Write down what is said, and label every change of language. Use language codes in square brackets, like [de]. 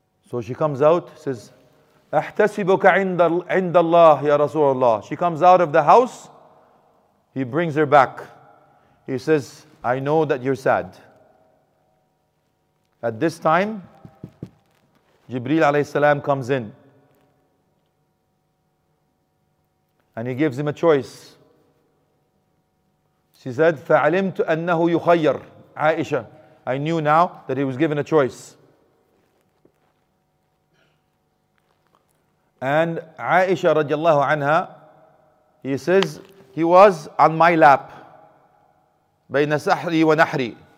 [en] So she comes out, says, [ar] أَحْتَسِبُكَ عِنْدَ اللَّهِ يَا رَسُولَ اللَّهِ. [en] She comes out of the house, he brings her back. He says, "I know that you're sad." At this time, Jibreel alayhi salam comes in. And he gives him a choice. She said, [ar] فَعَلِمْتُ أَنَّهُ يُخَيَّرْ عَائِشَ. [en] I knew now that he was given a choice. And Aisha radiallahu anha, he says, he was on my lap. [ar] بين سحري ونحري.